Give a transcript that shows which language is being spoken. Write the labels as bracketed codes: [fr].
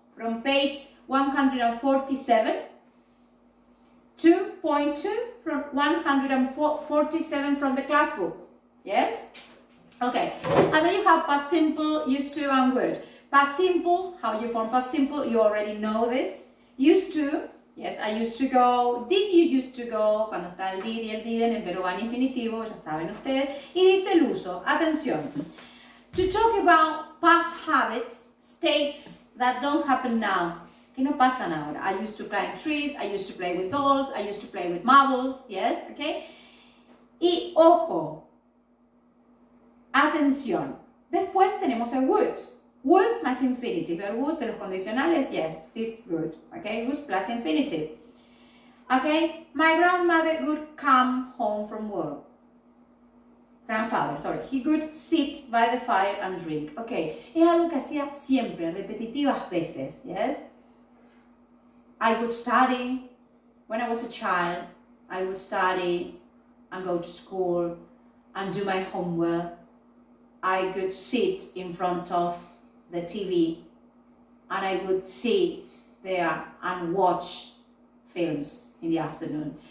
[en] From page 147, 2.2 from 147 from the classbook. Yes? Okay. And then you have past simple, used to, and would. Past simple, how you form past simple, you already know this. Used to, yes, I used to go. Did you used to go? [es] Cuando está el did y el didn't, el verbo en infinitivo, ya saben ustedes. Y dice el uso. Atención. [en] To talk about past habits, states that don't happen now, [es] que no pasan ahora. [en] I used to climb trees, I used to play with dolls, I used to play with marbles, yes, okay? [es] Y ojo, atención, después tenemos el would. [en] Would más infinitive, [es] el would de los condicionales, [en] yes, this would, okay? Would plus infinitive, okay? My grandmother would come home from work. Grandfather, sorry, he could sit by the fire and drink. [es] Okay, es algo que hacía siempre, repetitivas veces, yes? [en] I would study when I was a child. I would study and go to school and do my homework. I could sit in front of the TV and I would sit there and watch films in the afternoon.